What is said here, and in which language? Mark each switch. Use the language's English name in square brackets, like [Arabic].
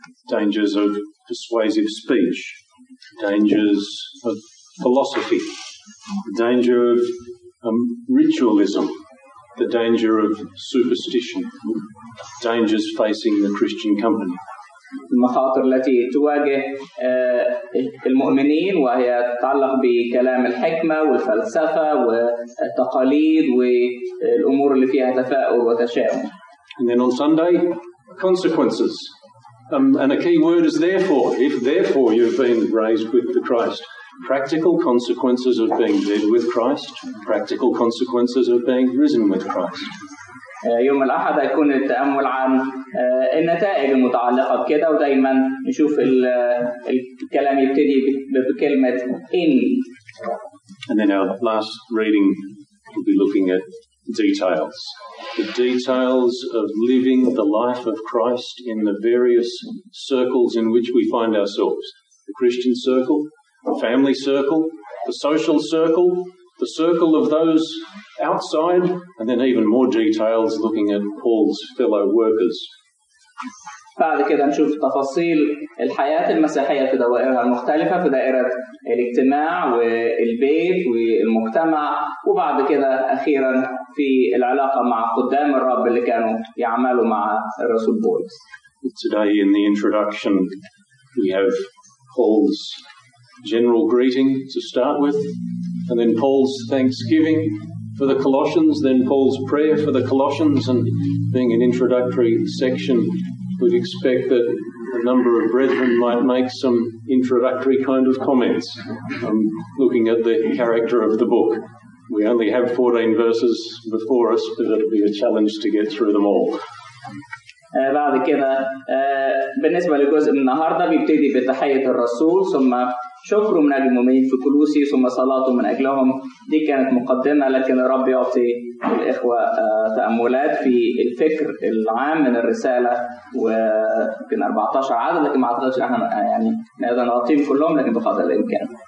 [English] Dangers of persuasive speech, dangers of philosophy, the danger of ritualism, the danger of superstition, dangers facing the Christian company. [Arabic] المخاطر التي تواجه المؤمنين وهي تتعلق بكلام الحكمة والفلسفة والتقاليد والأمور اللي فيها تفاؤل وتشاؤم. [English] And then on Sunday, consequences. And a key word is therefore. If therefore you've been raised with the Christ, practical consequences of being dead with Christ, practical consequences of being risen with Christ. [Arabic] يوم الأحد يكون التأمل عن النتائج المتعلقة بكده ودائما نشوف الكلام يبتدي بكلمة إن. [English] And then our last reading will be looking at details. The details of living the life of Christ in the various circles in which we find ourselves. The Christian circle, the family circle, the social circle, the circle of those outside, and then even more details looking at Paul's fellow workers. [Arabic] بعد كده نشوف تفاصيل الحياة المسيحية في دوائرها المختلفة، في دائرة الاجتماع والبيت والمجتمع، وبعد كده أخيرا في العلاقة مع قدام الرب اللي كانوا يعملوا مع الرسول بولس. [English] Today in the introduction we have Paul's general greeting to start with, and then Paul's thanksgiving for the Colossians, then Paul's prayer for the Colossians, and being an introductory section, we'd expect that a number of brethren might make some introductory kind of comments, looking at the character of the book. We only have 14 verses before us, but it'll be a challenge to get through them all. [Arabic] بعد كده بالنسبة لجزء من النهاردة بيبتدي بتحية الرسول، ثم شكره من أجل المؤمنين في كلوسي، ثم صلاته من أجلهم. دي كانت مقدمة، لكن الرب يعطي الإخوة تأملات في الفكر العام من الرسالة، ويمكن 14 عدد، لكن ما أعتقدش إحنا يعني نقدر نغطيهم كلهم، لكن بقدر الإمكان.